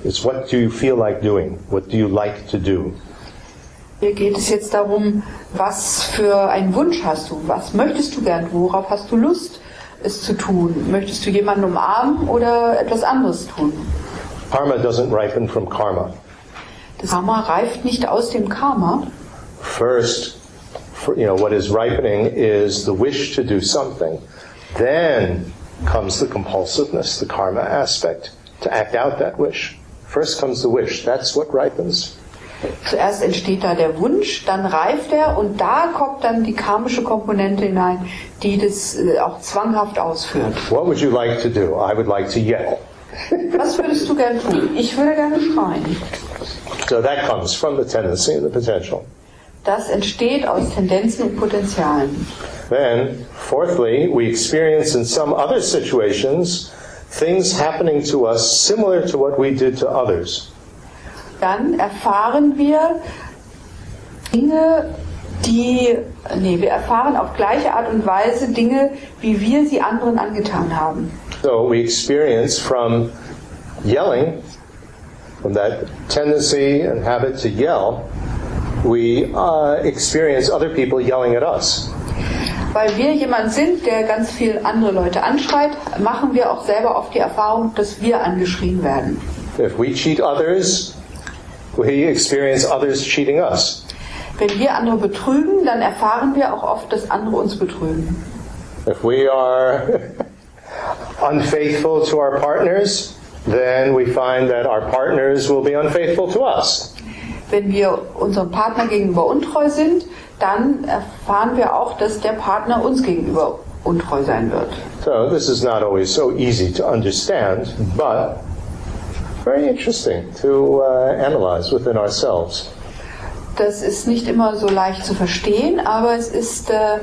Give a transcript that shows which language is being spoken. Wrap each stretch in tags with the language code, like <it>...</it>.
<en>It's what do you feel like doing? What do you like to do?</en> <de>Hier geht es jetzt darum, was für einen Wunsch hast du? Was möchtest du gern? Worauf hast du Lust, es zu tun? Möchtest du jemanden umarmen oder etwas anderes tun?</de> <en>Karma doesn't ripen from karma.</en> <de>Das Karma reift nicht aus dem Karma.</de> <en>First, you know, what is ripening is the wish to do something. Then comes the compulsiveness, the karma aspect, to act out that wish. First comes the wish. That's what ripens.</en> <de>Zuerst entsteht da der Wunsch, dann reift er und da kommt dann die karmische Komponente hinein, die das auch zwanghaft ausführt.</de> <en>What would you like to do? I would like to yell.</en> <de>Was würdest du gerne tun? Ich würde gerne schreien.</de> <en>So that comes from the tendency and the potential.</en> <de>Das entsteht aus Tendenzen und Potenzialen.</de> <en>Then, fourthly, we experience in some other situations things happening to us similar to what we did to others.</en> <de>Dann erfahren wir Dinge, wir erfahren auf gleiche Art und Weise Dinge, wie wir sie anderen angetan haben.</de> <en>So we experience from yelling, from that tendency and habit to yell, we experience other people yelling at us.</en> <de>Weil wir jemand sind, der ganz viel andere Leute anschreit, machen wir auch selber oft die Erfahrung, dass wir angeschrien werden.</de> <en>If we cheat others, we experience others cheating us.</en> <de>Wenn wir andere betrügen, dann erfahren wir auch oft, dass andere uns betrügen.</de> <en>If we are unfaithful to our partners, then we find that our partners will be unfaithful to us.</en> <de>Wenn wir unserem Partner gegenüber untreu sind, dann erfahren wir auch, dass der Partner uns gegenüber untreu sein wird.</de> <en>So this is not always so easy to understand, but very interesting to analyze within ourselves.</en> <de>Das ist nicht immer so leicht zu verstehen, aber es ist</de>